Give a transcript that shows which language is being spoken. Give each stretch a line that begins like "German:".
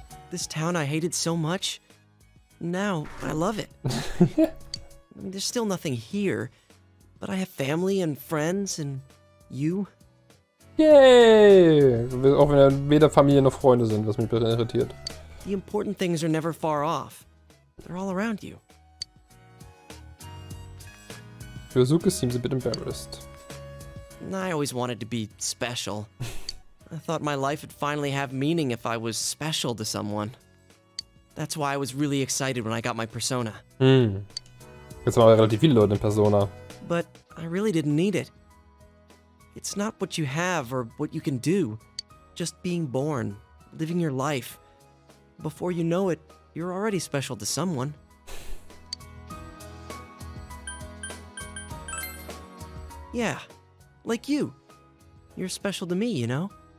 English: This town I hated so much, now I love it. I mean, there's still nothing here, but I have family and friends and you.
German: Yay! Auch wenn wir weder Familie noch Freunde sind, was mich irritiert.
English: The important things are never far off. They're all around you. Yuzuki seems a bit embarrassed. I always wanted to be special. I thought my life would finally have meaning if I was special to someone. That's why I was really excited when I got my persona.
German: Jetzt haben wir relativ viele Leute in Persona.
English: But I really didn't need it. It's not what you have or what you can do. Just being born, living your life. Before you know it, you're already special to someone. Yeah, like you. You're special to me, you know?